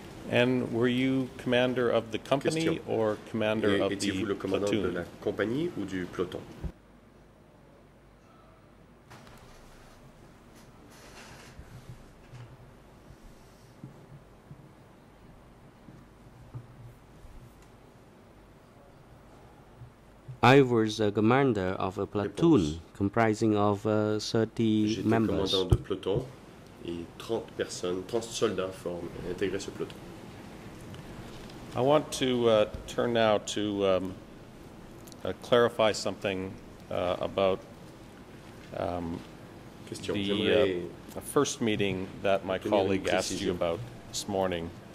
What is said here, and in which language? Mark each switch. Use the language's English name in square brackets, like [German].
[English] And were you commander of the company or commander of the platoon? [French] Étiez-vous le commandant de la compagnie ou du peloton? [English] I was a commander of a platoon comprising of 30 members. [French] J'étais commandant de peloton et 30 personnes, 30 soldats forment intégrer ce peloton. [English] I want to turn now to clarify something about the first meeting that my colleague asked you about this morning.